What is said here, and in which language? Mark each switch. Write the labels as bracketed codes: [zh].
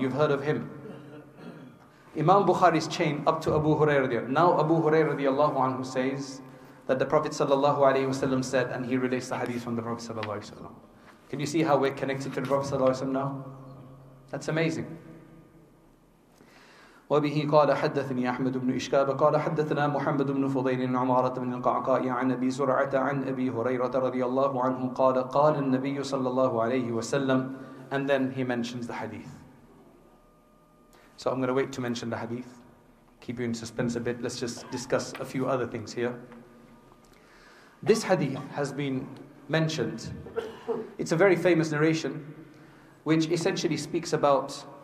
[en] You've heard of him. Imam Bukhari's chain up to Abu Hurairah radiallahu anhu. Now Abu Hurairah radiallahu anhu says that the Prophet sallallahu alayhi wa sallam said, and he relates the hadith from the Prophet sallallahu alayhi wa sallam. Can you see how we're connected to the Prophet sallallahu alayhi wa sallam now? That's amazing. [ar] وبه قال حدثني أحمد بن إشكاب قال حدثنا محمد بن فضيل عن عمارة بن القعقاء عن أبي زرعة عن أبي هريرة رضي الله عنه قال قال النبي صلى الله عليه وسلم. [en] And then he mentions the hadith. So I'm going to wait to mention the hadith. Keep you in suspense a bit. Let's just discuss a few other things here. This hadith has been mentioned. It's a very famous narration, which essentially speaks about